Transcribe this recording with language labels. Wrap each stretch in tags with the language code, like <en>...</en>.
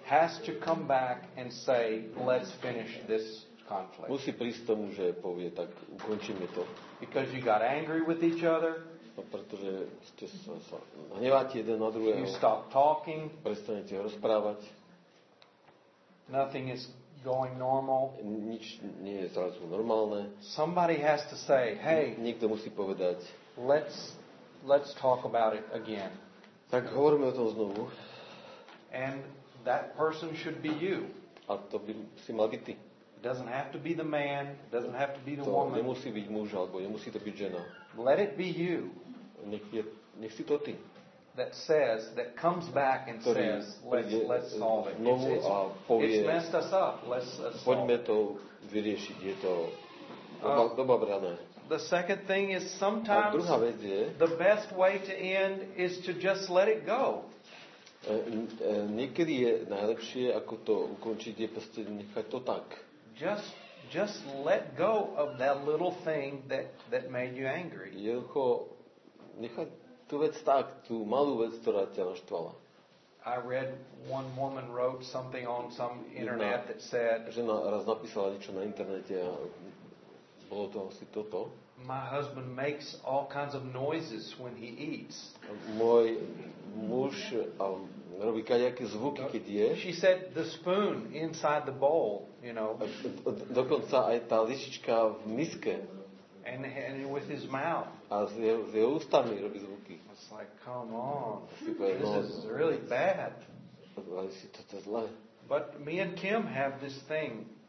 <en>has to come back and say, let's finish this conflict.</en> <sk>Musí prísť tomu, že povie, tak ukončíme to.</sk> <en>Because you got angry with each other.</en> <sk>No, pretože ste sa hneváte jeden na druhého.</sk> <en>You stop talking.</en> <sk>Prestanete rozprávať.</sk> <en>Nothing is going normal.</en> <sk>Nič nie je zrazu normálne.</sk> <en>Somebody has to say, hey,</en> <sk>niekto musí povedať,</sk> <en>let's talk about it again.</en> <sk>Tak hovoríme o tom znovu.</sk> <en>And that person should be you.</en> <sk>A to by si mal byť ty.</sk> <en>It doesn't have to be the man, it doesn't have to be the</en> <sk>to</sk> <en>woman.</en> <sk>To nemusí byť muž, alebo nemusí to byť žena.</sk> <en>Let it be you.</en> <sk>Nech si to ty.</sk> <en>That says, that comes back and says, let's solve it.</en> <sk>Znovu a povie,</sk> <en>it's messed us up, let's solve it.</en> <sk>Poďme to vyriešiť, je to doba brané.</sk> <en>The second thing is sometimes the best way to end is to just let it go.</en> <sk>Niekedy je najlepšie, ako to ukončiť, je proste nechať to tak.</sk> <en>Just let go of that little thing that made you angry.</en> <sk>Jednoducho nechať tú vec tak, tú malú vec, ktorá ťa naštvala.</sk> <en>I read one woman wrote something on some internet that said,</en> <sk>žena raz napísala niečo na internete a bolo to asi toto.</sk> <en>My husband makes all kinds of noises when he eats.</en> <sk>Môj muž robí kadejaké zvuky, keď je.</sk> <en>She said the spoon inside the bowl, you know.</en> <sk>Dokonca aj tá lyžička v miske.</sk> <en>And with his mouth.</en> <sk>A s jeho ústami robí zvuky.</sk> <en>It's like, come on. This is really bad. But me and Kim have this thing.</en>